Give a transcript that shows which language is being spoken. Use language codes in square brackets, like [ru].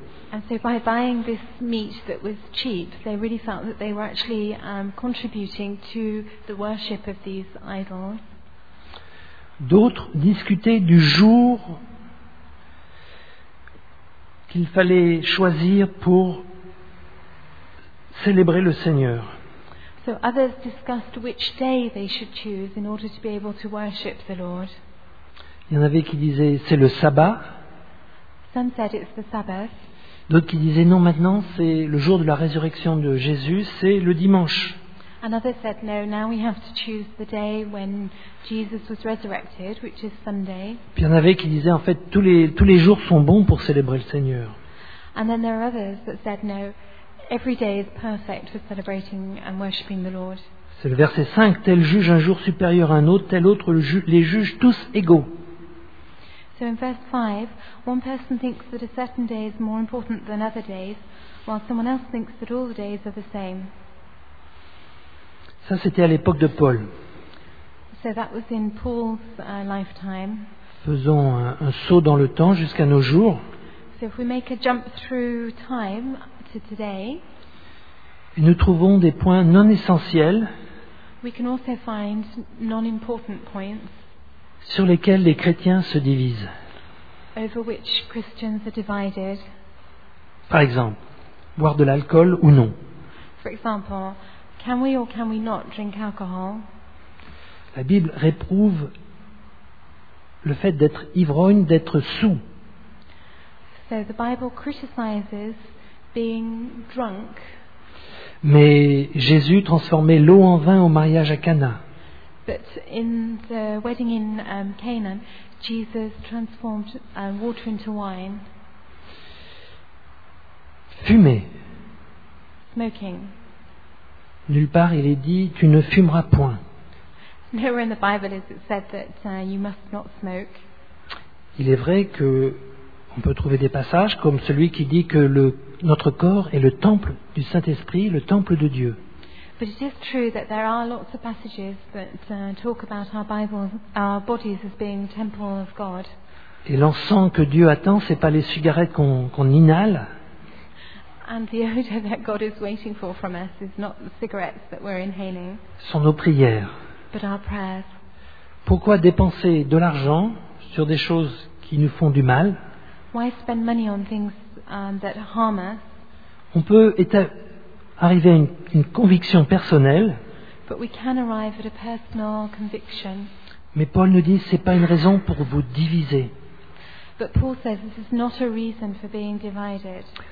[en] And so by buying this meat that was cheap, they really felt that they were actually contributing to the worship of these idols. [fr] D'autres discutaient du jour qu'il fallait choisir pour célébrer le Seigneur. [en] So others discussed which day they should choose in order to be able to worship the Lord. [fr] Il y en avait qui disaient c'est le sabbat. [en] Some said it's the Sabbath. [fr] D'autres qui disaient non, maintenant c'est le jour de la résurrection de Jésus, c'est le dimanche. [en] And others said, no, now we have to choose the day when Jesus was resurrected, which is Sunday. [fr] Puis il y en avait qui disaient, en fait, tous les jours sont bons pour célébrer le Seigneur. [en] And then there are others that said, no, every day is perfect for celebrating and worshiping the Lord. [fr] C'est le verset 5, tel juge un jour supérieur à un autre, tel autre les juge tous égaux. [en] So in verse 5, one person thinks that a certain day is more important than other days, while someone else thinks that all the days are the same. [fr] Ça, c'était à l'époque de Paul. [en] So that was in Paul's lifetime. [fr] Faisons un saut dans le temps jusqu'à nos jours. [en] So if we make a jump through time to today, [fr] et nous trouvons des points non essentiels, [en] we can also find non-important points [fr] sur lesquels les chrétiens se divisent. [en] Over which Christians are divided. [fr] Par exemple, boire de l'alcool ou non. [en] For example, can we or can we not drink alcohol? [fr] La Bible réprouve le fait d'être ivrogne, d'être sous. [en] So the Bible criticizes being drunk. [fr] Mais Jésus transformait l'eau en vin au mariage à Cana. [en] But in the wedding in Cana, Jesus transformed water into wine. [fr] Fumer. [en] Smoking. [fr] Nulle part il est dit tu ne fumeras point. [en] Nowhere in the Bible is it said that you must not smoke. [fr] Il est vrai que on peut trouver des passages comme celui qui dit que notre corps est le temple du Saint-Esprit, le temple de Dieu. [en] But it is true that there are lots of passages that talk about our Bibles, our bodies as being temple of God. [fr] Et l'encens que Dieu attend, c'est pas les cigarettes qu'on inhale. [en] And the odor that God is waiting for from us is not the cigarettes that we're inhaling. [fr] Sont nos prières. [en] But our prayers. [fr] Pourquoi dépenser de l'argent sur des choses qui nous font du mal? [en] Why spend money on things that harm us? [fr] On peut arriver à une conviction personnelle. [en] But we can arrive at a personal conviction. [fr] Mais Paul nous dit, c'est pas une raison pour vous diviser. [en] But Paul says this is not a reason for being divided.